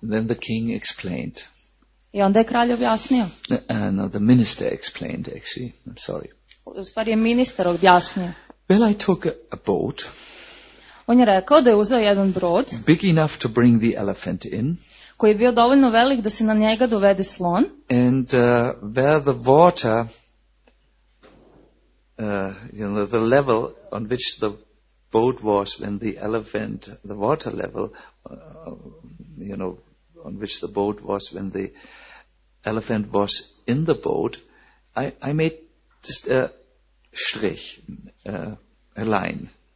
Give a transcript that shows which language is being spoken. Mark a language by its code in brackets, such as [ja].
[en] Then the king explained. [hr] I onda je kralj objasnio. [en] No, the minister explained, actually. I'm sorry. [hr] U stvari je ministar objasnio. [en] Well, I took a boat. [hr] On je rekao da je uzeo jedan brod, [en] big enough to bring the elephant in, [hr] koji je bio dovoljno velik da se na njega dovede slon, [en] and where the water, you know, the level on which the boat was when the elephant, the water level, you know, on which the boat was when the elephant was in the boat, I made just a strich, a line.